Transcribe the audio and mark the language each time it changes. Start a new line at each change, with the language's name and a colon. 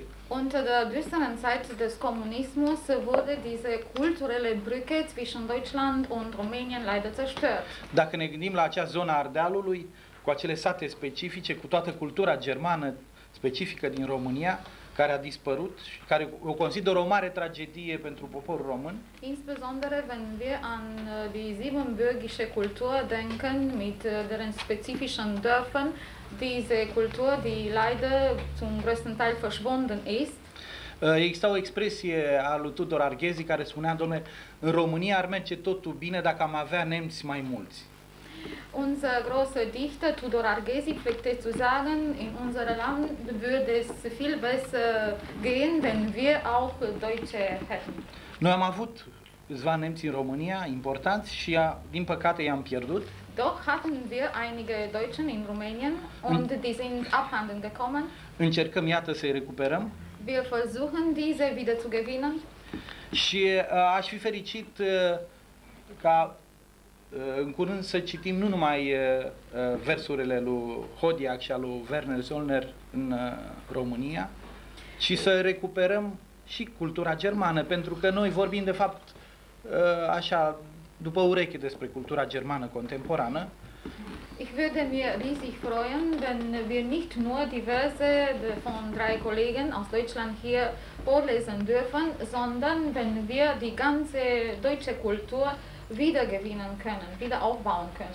German: Unter der düsteren Zeit des Kommunismus wurde diese kulturelle Brücke zwischen Deutschland und Rumänien leider zerstört.
Romanian: Dacă ne gândim la acea zonă Ardealului, cu acele sate specifice, cu toată cultura germană specifică din România, care a dispărut și care o consider o mare tragedie pentru poporul român.
German: Insbesondere wenn wir an die siebenbürgische Kultur denken mit deren spezifischen Dörfern, diese Kultur, die leider zum größten Teil verschwunden ist.
Romanian: Există o expresie a lui Tudor Arghezi care spunea, domnule, în România ar merge totul bine dacă am avea nemți mai mulți.
German: Unser großer Dichter Tudor Arghezi pflegte zu sagen, in unserem Land würde es viel besser gehen, wenn wir auch Deutsche hätten.
Romanian: Noi am avut câțiva nemți în România importanți și din păcate i-am pierdut.
German: Doch hatten wir einige Deutschen in Rumänien und die sind abhanden gekommen.
Romanian: Încercăm iată să-i recuperăm.
German: Wir versuchen diese wieder zu gewinnen.
Romanian: Și aș fi fericit ca în curând să citim nu numai versurile lui Hodiak și al lui Werner Zöllner în România, ci să recuperăm și cultura germană, pentru că noi vorbim de fapt așa după ureche despre cultura germană contemporană.
German: Ich würde mir riesig freuen, wenn wir nicht nur die Verse von drei Kollegen aus Deutschland hier vorlesen dürfen, sondern wenn wir die ganze deutsche Kultur wiedergewinnen können, wieder aufbauen können.